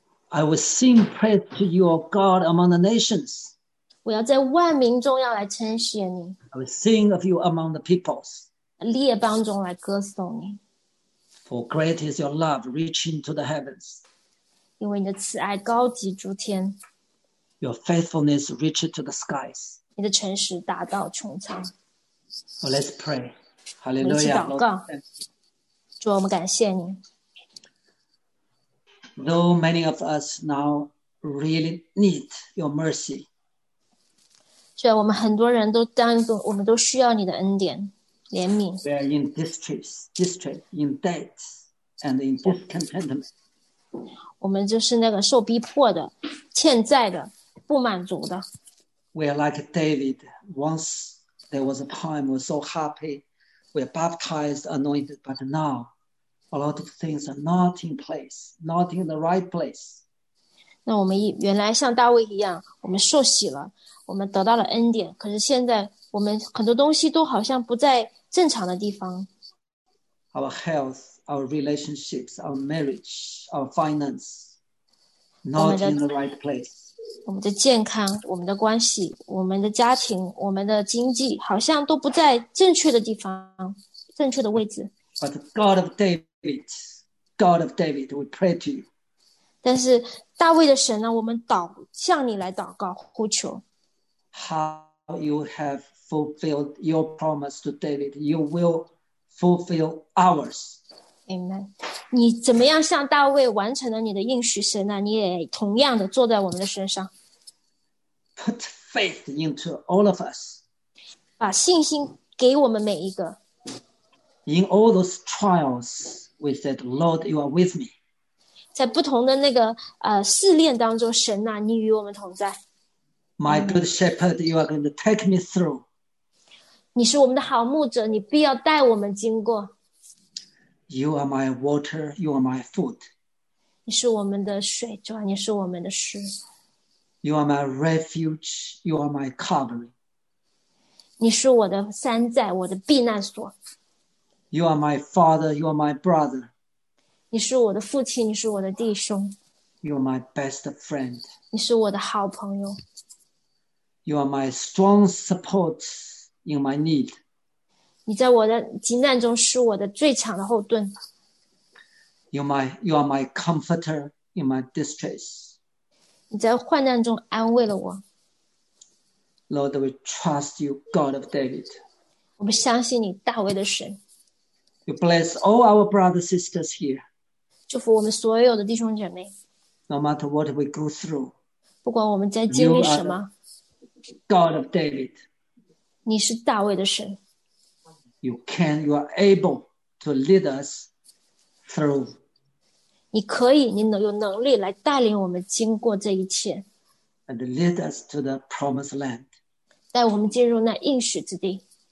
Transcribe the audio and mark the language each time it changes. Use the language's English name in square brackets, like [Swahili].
[English] I will sing praise to your God among the nations. [Chinese] 我要在万民中要来称谢你。 [English] I will sing of you among the peoples. [Chinese] 列邦中来歌颂你。 [English] For great is your love reaching to the heavens. [Chinese] 因为你的慈爱高及诸天。 [English] Your faithfulness reaches to the skies. [Chinese] 你的诚实达到穹苍。 [English] Well, let's pray. Hallelujah. [Chinese] 我们一起祷告。主，我们感谢你。 [English] Though many of us now really need your mercy. [Chinese] 主，我们很多人都当中，我们都需要你的恩典、怜悯。 [English] We are in distress, in debt, and in discontentment. [Chinese] 我们就是那个受逼迫的、欠债的。不满足的。 [English] We are like David. Once there was a time we were so happy, we are baptized, anointed, but now a lot of things are not in place, not in the right place. [Chinese] 那我们原来像大卫一样，我们受洗了，我们得到了恩典，可是现在我们很多东西都好像不在正常的地方。 [English] Our health, our relationships, our marriage, our finance, not in the right place. [Chinese] 我们的健康，我们的关系，我们的家庭，我们的经济，好像都不在正确的地方，正确的位置。 [English] But God of David, God of David, we pray to you. [Chinese] 但是大卫的神呢，我们祷向你来祷告呼求。 [English] How you have fulfilled your promise to David, you will fulfill ours. Amen. [Chinese] 你怎么样向大卫完成了你的应许神呢、啊、你也同样的坐在我们的身上。 [English] Put faith into all of us. [Chinese] 把信心给我们每一个。 [English] In all those trials, we said, Lord, you are with me. [Chinese] 在不同的那个试炼当中神啊你与我们同在。 [English] My good shepherd, you are going to take me through. [Chinese] 你是我们的好牧者你必要带我们经过。 [English] You are my water, you are my food. [Chinese] 你是我们的水，主啊，你是我们的食。 [English] You are my refuge, you are my covering. [Chinese] 你是我的山寨，我的避难所。 [English] You are my father, you are my brother. [Chinese] 你是我的父亲，你是我的弟兄。 [English] You are my best friend. [Chinese] 你是我的好朋友。 [English] You are my strong support in my need. [Chinese] 你在我的急难中是我的最强的后盾。 [English] You are my comforter in my distress. [Chinese] 你在患难中安慰了我。 [English] Lord, we trust you, God of David. [Chinese] 我们相信你大卫的神。 [English] You bless all our brothers and sisters here. [Chinese] 祝福我们所有的弟兄姐妹。 [English] No matter what we go through. [Chinese] 不管我们在经历什么。 [English] God of David. [Chinese] 你是大卫的神。 [English] You can, you are able to lead us through. [Chinese] 你可以，你能有能力来带领我们经过这一切。 [English] And lead us to the promised land. [Chinese] 带我们进入那应许之地。